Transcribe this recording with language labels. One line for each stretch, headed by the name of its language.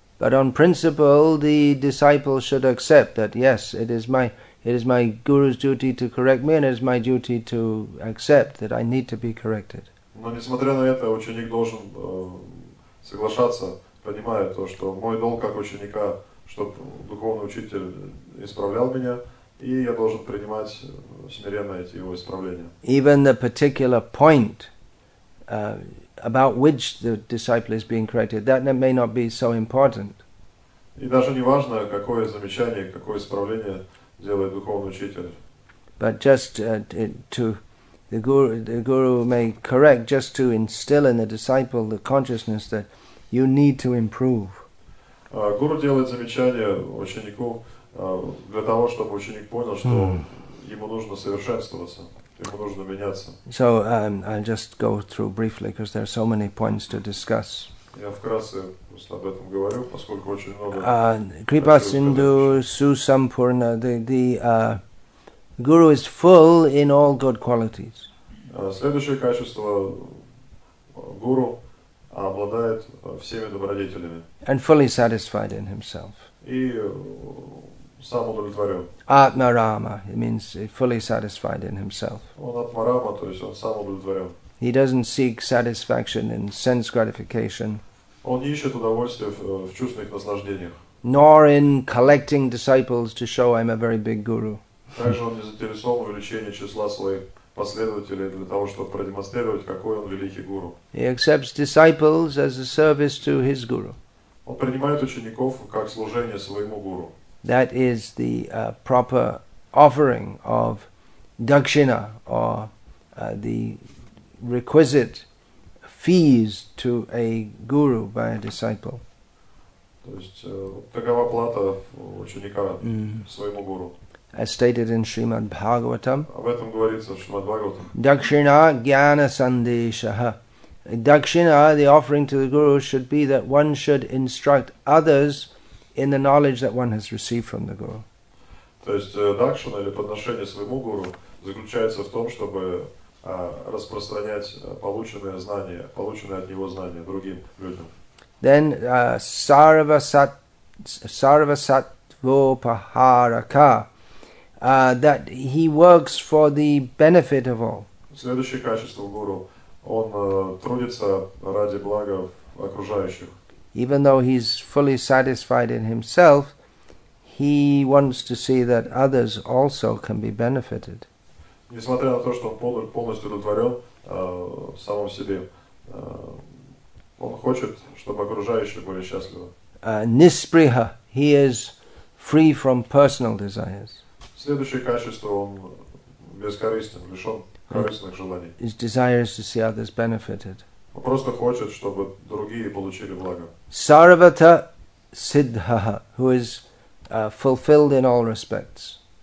English: But on principle, the disciple should accept that yes, it is my guru's duty to correct me, and it is my duty to accept that I need to be corrected.
Russian: Но несмотря на это, ученик должен соглашаться. Понимаю то, что мой долг как ученика, чтобы духовный учитель исправлял меня, и я должен принимать смиренно эти его исправления.
English: Even the particular point about which the disciple is being corrected, that may not be so important.
Russian: И даже не важно, какое замечание, какое исправление делает духовный учитель.
English: But just to the guru may correct just to instill in the disciple the consciousness that you need to improve.
Russian: Гуру делает замечание ученику для того, чтобы ученик понял, что ему нужно совершенствоваться, ему нужно меняться.
English: So I'll just go through briefly, because there are so many points to discuss.
Russian: Я вкратце просто об этом говорю, поскольку очень много.
Sanskrit: Kripa Sindhu Susampurna,
English: the guru is full in all good qualities.
Russian: Следующее качество гуру обладает всеми добродетелями.
English: And fully satisfied in himself.
Russian: И сам удовлетворен.
English: Атмарама, it means fully satisfied in himself.
Russian: Он атмарама, то есть он сам удовлетворен.
English: He doesn't seek satisfaction in sense gratification.
Russian: Он не ищет удовольствия в чувственных наслаждениях.
English: Nor in collecting disciples to show I'm a very big guru.
Russian: Также он не заинтересован в увеличении числа своих последователей для того, чтобы продемонстрировать, какой он великий гуру.
English: He accepts disciples as a service to his guru.
Russian: Он принимает учеников как служение своему гуру.
English: That is the proper offering of dakshina, or the requisite fees to a guru by a disciple.
Russian: То есть такова плата ученика своему гуру.
English: As stated in Srimad Bhagavatam.
Russian: Об этом говорится в Шримад Бхагаватам.
Sanskrit: Дакшина гьяна сандешаха.
English: Дакшина, the offering to the guru, should be that one should instruct others in the knowledge that one has received from the guru.
Russian: То есть дакшина или подношение своему гуру заключается в том, чтобы распространять полученные знания, полученные от него знания другим людям.
English: Then sarvasattvoparaka. That he works for the benefit of all.
Russian: Следующее качество гуру. Он трудится ради блага окружающих.
English: Even though he's fully satisfied in himself, he wants to see that others also can be benefited.
Russian: Несмотря на то, что он полностью удовлетворен самом себе, он хочет, чтобы окружающие были счастливы.
English: Nispriha. He is free from personal desires.
Russian: Следующее качество, он бескорыстен, лишен корыстных желаний.
English: His desire is to see others benefited.
Russian: Он просто хочет, чтобы другие получили благо.
Sanskrit: Sarvata Siddhaha,
English: who is fulfilled in all respects.